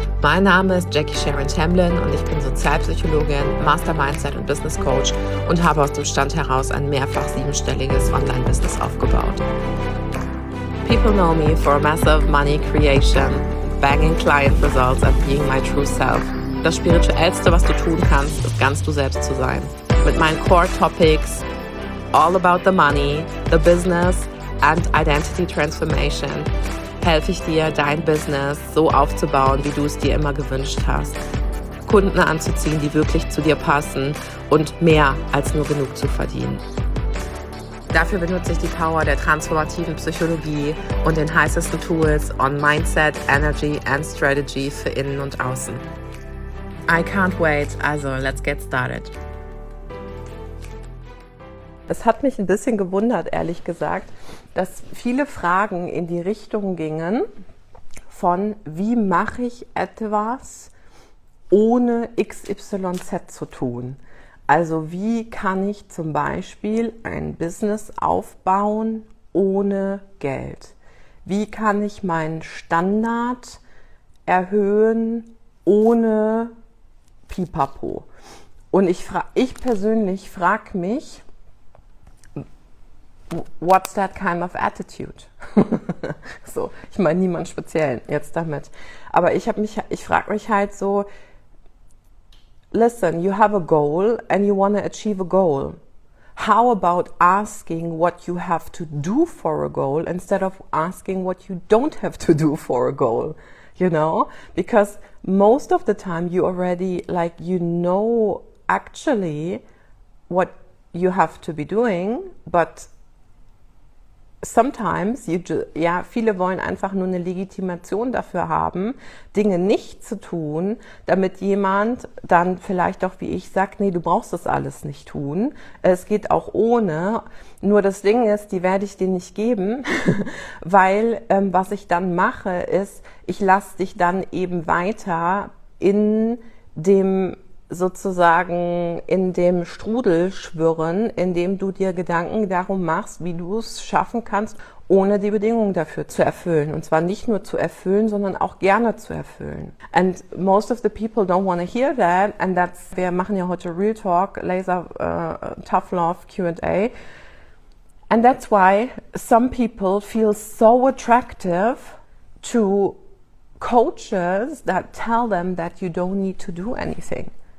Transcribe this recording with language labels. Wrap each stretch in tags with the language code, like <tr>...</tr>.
<de>Mein Name ist Jackie Sharon Tamblyn und ich bin Sozialpsychologin, Master Mindset und Business Coach und habe aus dem Stand heraus ein mehrfach siebenstelliges Online-Business aufgebaut.</de> <en>People know me for massive money creation, banging client results and being my true self.</en> <de>Das Spirituellste, was du tun kannst, ist ganz du selbst zu sein. Mit meinen Core Topics,</de> <en>all about the money, the business and identity transformation,</en> <de>helfe ich dir, dein Business so aufzubauen, wie du es dir immer gewünscht hast. Kunden anzuziehen, die wirklich zu dir passen und mehr als nur genug zu verdienen. Dafür benutze ich die Power der transformativen Psychologie und den heißesten Tools</de> <en>on Mindset, Energy and Strategy</en> <de>für Innen und Außen.</de> <en>I can't wait, also let's get started.</en> <de>Es hat mich ein bisschen gewundert, ehrlich gesagt, dass viele Fragen in die Richtung gingen von, wie mache ich etwas, ohne XYZ zu tun? Also wie kann ich zum Beispiel ein Business aufbauen ohne Geld? Wie kann ich meinen Standard erhöhen ohne Pipapo? Und ich persönlich frage mich,</de> <en>what's that kind of attitude?</en> <de>So, ich meine niemanden speziellen jetzt damit. Aber ich frage mich halt so,</de> <en>listen, you have a goal and you want to achieve a goal. How about asking what you have to do for a goal instead of asking what you don't have to do for a goal? You know, because most of the time you already, like, you know actually what you have to be doing, but sometimes,</en> <de>viele wollen einfach nur eine Legitimation dafür haben, Dinge nicht zu tun, damit jemand dann vielleicht auch wie ich sagt, nee, du brauchst das alles nicht tun. Es geht auch ohne. Nur das Ding ist, die werde ich dir nicht geben, weil was ich dann mache, ist, ich lasse dich dann eben weiter in dem sozusagen in dem Strudel schwirren, in dem du dir Gedanken darum machst, wie du es schaffen kannst, ohne die Bedingungen dafür zu erfüllen. Und zwar nicht nur zu erfüllen, sondern auch gerne zu erfüllen.</de> <en>And most of the people don't want to hear that. And that's,</en> <de>wir machen ja heute</de> <en>Real Talk, Laser, Tough Love, Q&A. And that's why some people feel so attractive to coaches that tell them that you don't need to do anything.</en>